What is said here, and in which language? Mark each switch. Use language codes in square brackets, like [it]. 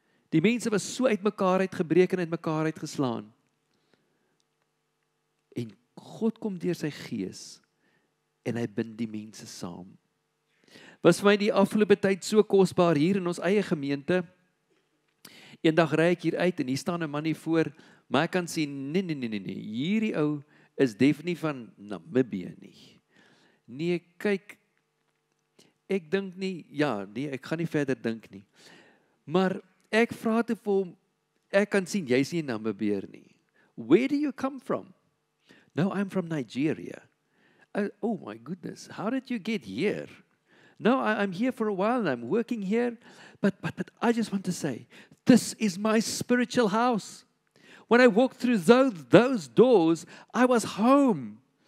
[af] Die mense was so uit mekaar uitgebreek en uit mekaar uitgeslaan. En God kom deur sy gees en hy bind die mense saam. Was vir my die afgelope tyd so kosbaar hier in ons eie gemeente. Eendag ry ek hier uit en hier staan 'n man hier voor, maar ek kan sien, nee, hierdie ou is definitief van Namibië nie. Nee, kyk, ek dink nie, ja, nee, ek gaan nie verder dink nie. Maar ek vra toe vir hom, ek kan sien, jy is nie Namibeer nie. [en] Where do you come from? No, I'm from Nigeria. Oh my goodness, how did you get here? No, I'm here for a while and I'm working here. But I just want to say, this is my spiritual house. When I walked through those doors, I was home.